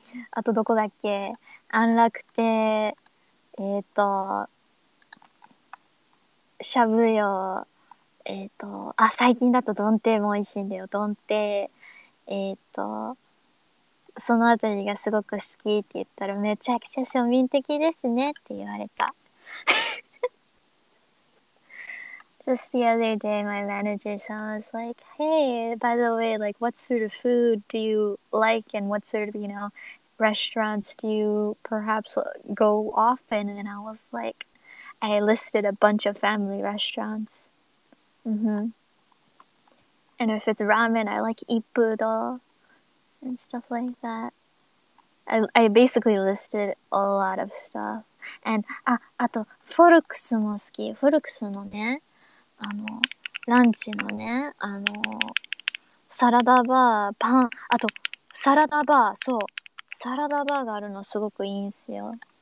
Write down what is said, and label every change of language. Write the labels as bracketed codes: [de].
[ja] あとどこだっけ、安楽亭、しゃぶよ、あ、最近だとどん亭も美味しいんだよ、どん亭、そのあたりがすごく好きって言ったら、めちゃくちゃ庶民的ですねって言われた。 [en] Just the other day, my manager was like, hey, by the way, like, what sort of food do you like and what sort of, you know, restaurants do you perhaps go often? And I was like, I listed a bunch of family restaurants. Mm-hmm. And if it's ramen, I like Ippudo and stuff like that. I basically listed a lot of stuff. [ja] And, あと、フォルクスも好き。フォルクスのね、あの、ランチのね、あの、サラダバー、パン、あと、サラダバー、そう。サラダバーがあるのすごくいいんすよ。